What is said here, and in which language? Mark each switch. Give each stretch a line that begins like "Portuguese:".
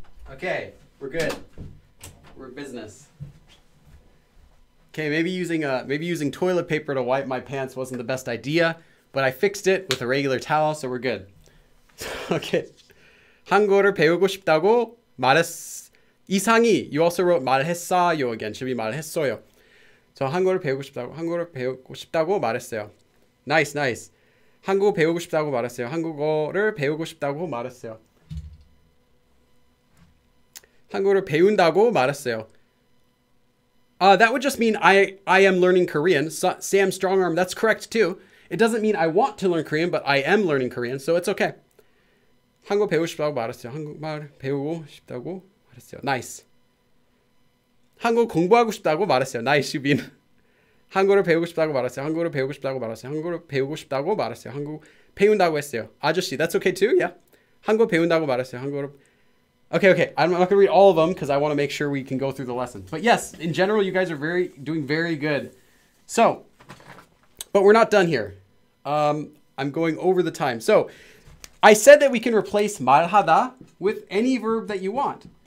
English: Okay, we're good. We're business. Okay, maybe using toilet paper to wipe my pants wasn't the best idea, but I fixed it with a regular towel, so we're good. Okay.
Korean: 한국어를 배우고 싶다고 이상이.
English: You also wrote 말했어요 again. Should be 말했어요.
Korean: So 한국어를 배우고 싶다고 말했어요.
English: Nice, nice.
Korean: 한국어 배우고 싶다고 말했어요. 한국어를 배우고 싶다고 말했어요. 한국어를 배운다고 말했어요.
English: That would just mean I am learning Korean. Sam Strongarm, that's correct too. It doesn't mean I want to learn Korean, but I am learning Korean, so it's okay.
Korean: 한국어 배우고 싶다고 말했어요. 한국말 배우고 싶다고 말했어요.
English: Nice.
Korean: 한국어 공부하고 싶다고 말했어요.
English: Nice, Yubin.
Korean: 한국어를 배우고 싶다고 말했어요. 한국어를 배우고 싶다고 말했어요. 한국어를 배우고 싶다고 말했어요. 한국 배운다고 했어요. 아저씨,
English: that's okay too, yeah.
Korean: 한국어 배운다고 말했어요. 한국어를
English: Okay, I'm not gonna read all of them because I wanna make sure we can go through the lesson. But yes, in general, you guys are doing very good. So, but we're not done here. I'm going over the time. So, I said that we can replace 말하다 with any verb that you want.